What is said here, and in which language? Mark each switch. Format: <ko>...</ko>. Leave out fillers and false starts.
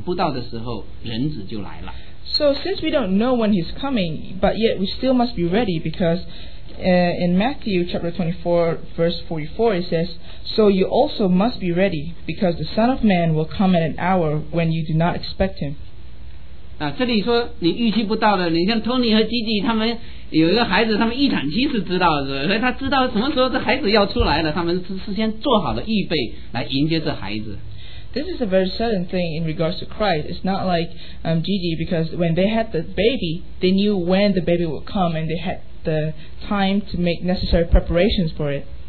<zh>但是我们如果不知道这日子，我们如何来预备呢？第四十四节里头讲到，44节说，所以你们也要预备，因为你们想不到的时候，人子就来了。</zh> <en>So since we don't know when he's coming, but yet we still must be ready because in Matthew chapter 24 verse 44 it says, "So you also must be ready because the Son of Man will come at an hour when you do not expect him."</en> <zh>啊，这里说你预期不到的，你像Tony和Gigi他们有一个孩子，他们一产期是知道的，所以他知道什么时候这孩子要出来了，他们是事先做好了预备来迎接这孩子。</zh> <en>This is a very sudden thing in regards to Christ. It's not like Gigi, because when they had the baby, they knew when the baby would come and they had the time to make necessary preparations for it.</en>